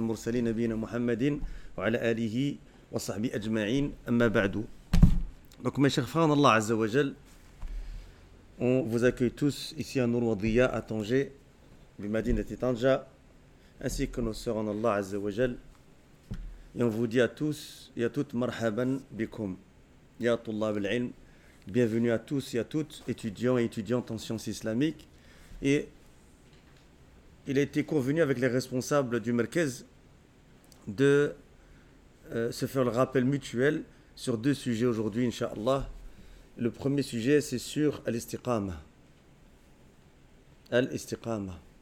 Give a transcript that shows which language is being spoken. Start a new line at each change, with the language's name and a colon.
Arabic: المرسلين نبينا محمد وعلى آله وصحبه أجمعين. أما بعد، دونك ما شيخ فان الله عز وجل
French: on vous accueille tous ici à Nourwadiya à Tanger
Arabic: بمدينه طنجة
French: ainsi que nos sœurs en Allah عز وجل. Et on vous dit à tous
Arabic: يا توت مرحبا بكم يا طلاب العلم.
French: Bienvenue à tous et à toutes, étudiants et étudiantes en sciences islamiques. Et il a été convenu avec les responsables du Merkez de se faire le rappel mutuel sur deux sujets aujourd'hui, Inch'Allah. Le premier sujet, c'est sur Al-Istiqama. Al-Istiqama.